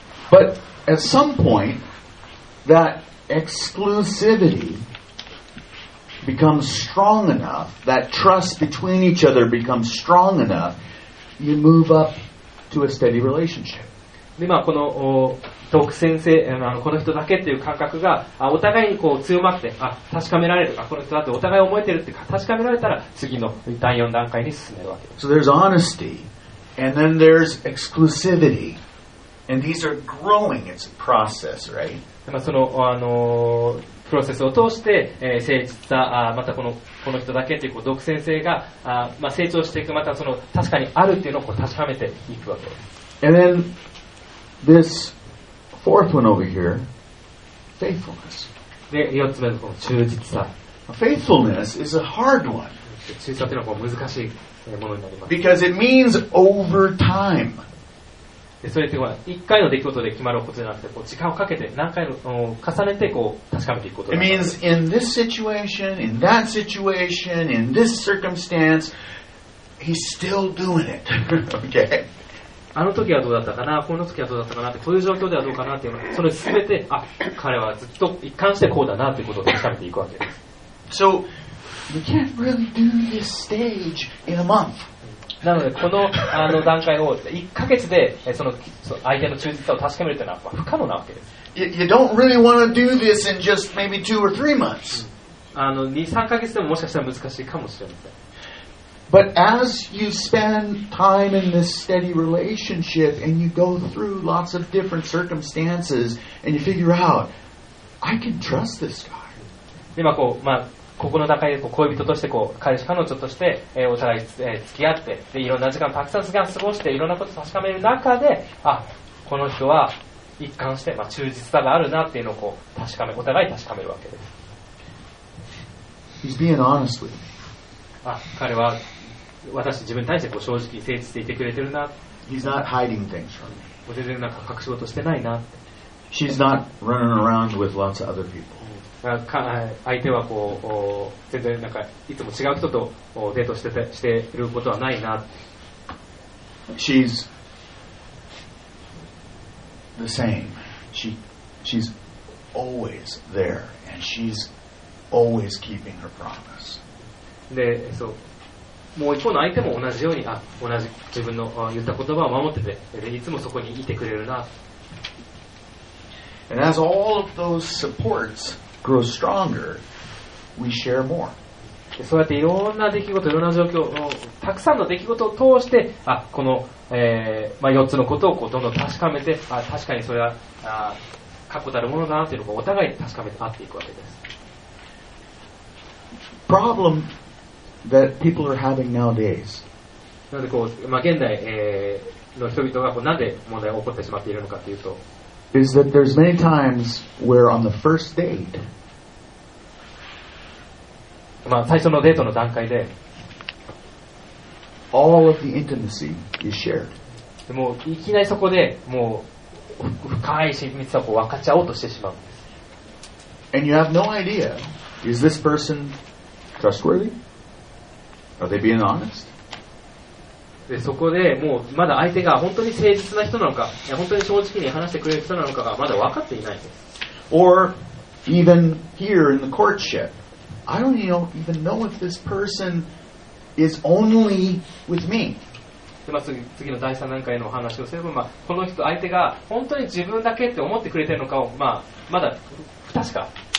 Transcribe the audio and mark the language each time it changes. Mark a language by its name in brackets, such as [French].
[English] But at some point, that exclusivity becomes strong enough, that trust between each other becomes strong enough, you move up to a steady relationship. [Japanese] で、まあ、この独占性、あの、この人だけっていう感覚が、あ、お互いにこう強まって、あ、確かめられるか、この人だってお互い思えてるってか、確かめられたら、次の第4段階に進めるわけです。 [English] So there's honesty, and then there's exclusivity. And these are growing. It's a process, right? [Japanese] まあ、その、プロセスを通して、誠実さ、またこの、この人だけという、こう独占性が、まあ、成長していく、またその確かにあるというのをこう確かめていくわけです。 [English] And then, this fourth one over here, faithfulness. [Japanese] で、4つ目のこの忠実さ。 [English] Faithfulness is a hard one. [Japanese] 忠実さというのはこう難しいものになります。 [English] Because it means over time. [Japanese] それって一回の出来事で決まることじゃなくて、こう時間をかけて何回も重ねてこう確かめていくこと。 [English] It means in this situation, in that situation, in this circumstance, he's still doing it. Okay. [Japanese] あの時はどうだったかな、この時はどうだったかなって、こういう状況ではどうかなっていう、それすべて、あ、彼はずっと一貫してこうだなということを確かめていくわけです。 [English] So you can't really do this stage in a month. [Japanese] なのでこ の, あの段階を1ヶ月でその相手の忠実さを確かめるというのは不可能なわけです。 [English] You don't really want to do this in just maybe 2 or 3 months. [Japanese] 2、3 ヶ月でももしかしたら難しいかもしれません。 [English] But as you spend time in this steady relationship and you go through lots of different circumstances and you figure out I can trust this guy. [Japanese] 今こう、まあここの中でこう恋人としてこう彼氏彼女として、お互い、付き合って、でいろんな時間たくさん時間過ごしていろんなことを確かめる中で、あ、この人は一貫して、まあ、忠実さがあるなっていうのをこう確かめ、お互い確かめるわけです。 [English] He's being honest with me. [Japanese] あ、彼は私自分に対してこう正直誠実でいてくれてるな。 [English] He's not hiding things from me. [Japanese] 全然なんか隠し事してないな。 [English] She's not running around with lots of other people. [Japanese] 相手はこう全然なんかいつも違う人とデートしてて、していることはないな。 [English] She's the same. She's always there and she's always keeping her promise. [Japanese] で、そう、もう一方の相手も同じように、あ、同じ自分の言った言葉を守ってて、でいつもそこにいてくれるな。 [English] And as all of those supportsgrow stronger, we share more. [Japanese] そうやっていろんな出来事、いろんな状況、たくさんの出来事を通して、あ、この、まあ、4つのことをこうどんどん確かめて、あ、確かにそれは、あ、確固たるものだなというのをお互い確かめて合っていくわけです。 [English] Problem that people are having nowadays. [Japanese] なんでこう、まあ、現代、の人々がこうなんで問題が起こってしまっているのかというと、 [English] is that there's many times where on the first date, [Japanese] まあ最初のデートの段階で、 [English] all of the intimacy is shared. [Japanese] でもいきなりそこでもう深い親密さを分かっちゃおうとしてしまうんです。 [English] And you have no idea, is this person trustworthy? Are they being honest? [Japanese] でそこでもうまだ相手が本当に誠実な人なのか、いや本当に正直に話してくれる人なのかがまだ分かっていないんです。 [English] Or even here in the courtship, I don't even know if this person is only with me. [Japanese] で、まあ、次の第3段階の話をすれば、まあ、この人相手が本当に自分だけって思ってくれてるのかを、まあ、まだ不確か。